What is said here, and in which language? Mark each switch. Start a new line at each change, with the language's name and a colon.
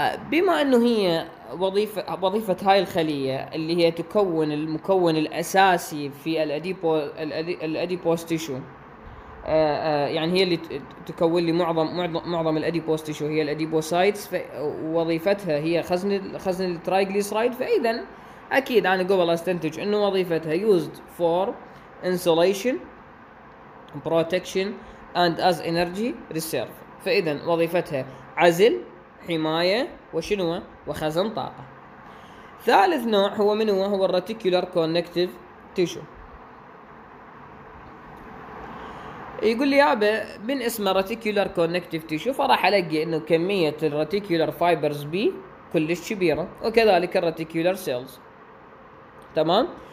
Arabic: بما انه هي وظيفة هاي الخلية اللي هي تكون المكون الاساسي في الاديبوس تيشو يعني هي اللي تكون لي معظم الاديبوس تيشو هي الاديبوسايتس ووظيفتها هي خزن الترايجليسرايد. فاذا اكيد انا قبل استنتج انه وظيفتها
English: used for insulation protection and as energy reserve.
Arabic: فاذا وظيفتها عزل حمايه وشنو وخزن طاقه. ثالث نوع هو من هو الراتيكولار كونكتيف تيشو. يقول لي يابا من اسمه راتيكولار كونكتيف تيشو فراح الاقي انه كميه الراتيكولار فايبرز بي كلش كبيره وكذلك الراتيكولار سيلز. تمام.